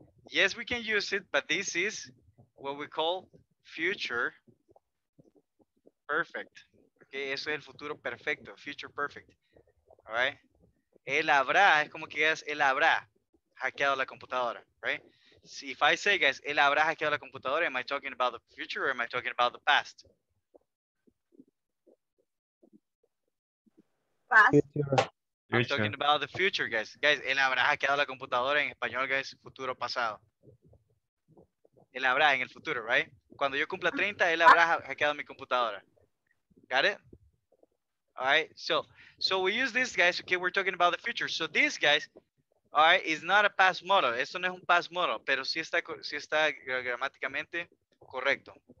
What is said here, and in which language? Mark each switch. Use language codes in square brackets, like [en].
[en] Yes, we can use it, but this is what we call future perfect, okay? [es] Eso es el futuro perfecto, future perfect, all right? Él habrá, es como que es él habrá hackeado la computadora, right? [en] So if I say, guys, [es] él habrá hackeado la computadora, [en] am I talking about the future or am I talking about the past? Past. I'm talking about the future, guys. [es] Guys, él habrá hackeado la computadora, en español, guys, futuro pasado. Él habrá en el futuro, right? Cuando yo cumpla 30, él habrá hackeado mi computadora. [en] Got it? All right, so we use this, guys, okay, we're talking about the future. So these guys, all right, it's not a past modal. [es] Esto no es un past modal, pero sí está gramáticamente correcto.